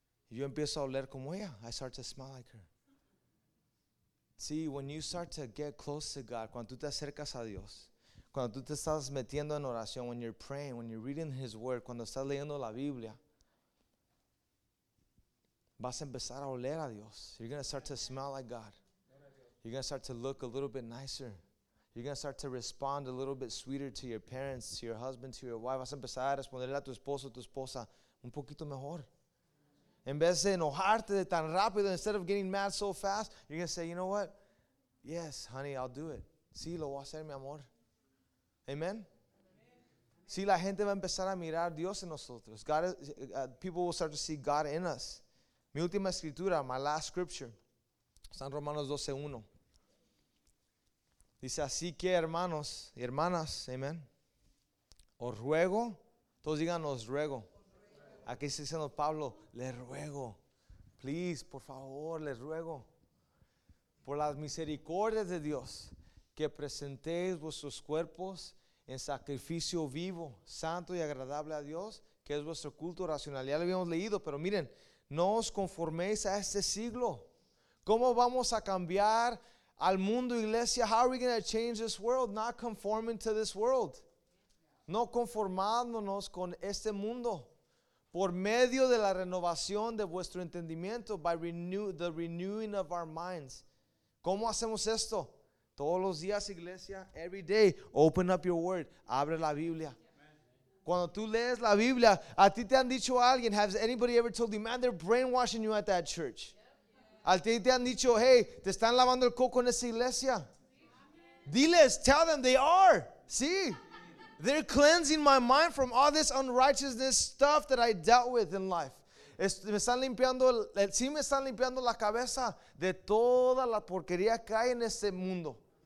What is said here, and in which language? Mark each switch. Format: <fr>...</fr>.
<es>Yo empiezo a oler como ella.</es> <en>I start to smell like her. See, when you start to get close to God,</en> <es>cuando tú te acercas a Dios, cuando tú te estás metiendo en oración,</es> <en>when you're praying, when you're reading His Word,</en> <es>cuando estás leyendo la Biblia, vas a empezar a oler a Dios.</es> <en>You're going to start to smell like God. You're going to start to look a little bit nicer. You're going to start to respond a little bit sweeter to your parents, to your husband, to your wife.</en> <es>Vas a empezar a responderle a tu esposo, tu esposa, un poquito mejor. En vez de enojarte de tan rápido,</es> <en>instead of getting mad so fast, you're going to say, you know what? Yes, honey, I'll do it.</en> <es>Sí, lo voy a hacer, mi amor. Amen. Sí, la gente va a empezar a mirar Dios en nosotros.</es> <en>God is, people will start to see God in us.</en> <es>Mi última escritura,</es> <en>my last scripture,</en> <es>está en Romanos 12:1. Dice, así que hermanos y hermanas, amen. Os ruego, todos digan, os ruego. Aquí está diciendo Pablo, le ruego. Please, por favor, le ruego. Por las misericordias de Dios, que presentéis vuestros cuerpos en sacrificio vivo, santo y agradable a Dios, que es vuestro culto racional. Ya lo habíamos leído, pero miren, no os conforméis a este siglo. ¿Cómo vamos a cambiar al mundo, iglesia?</es> <en>How are we going to change this world? Not conforming to this world.</en> <es>No conformándonos con este mundo. Por medio de la renovación de vuestro entendimiento,</es> <en>the renewing of our minds.</en> <es>¿Cómo hacemos esto? Todos los días, iglesia,</es> <en>every day, open up your word.</en> <es>Abre la Biblia. Cuando tú lees la Biblia, a ti te han dicho alguien,</es> <en>has anybody ever told you, man, they're brainwashing you at that church.</en> <es>A ti te han dicho, hey, te están lavando el coco en esa iglesia. Diles,</es> <en>tell them, they are.</en> <es>Sí,</es> <en>They're cleansing my mind from all this unrighteousness stuff that I dealt with in life.</en> <es>Me están limpiando, sí, me están limpiando la cabeza de toda la porquería que hay en este mundo.</es>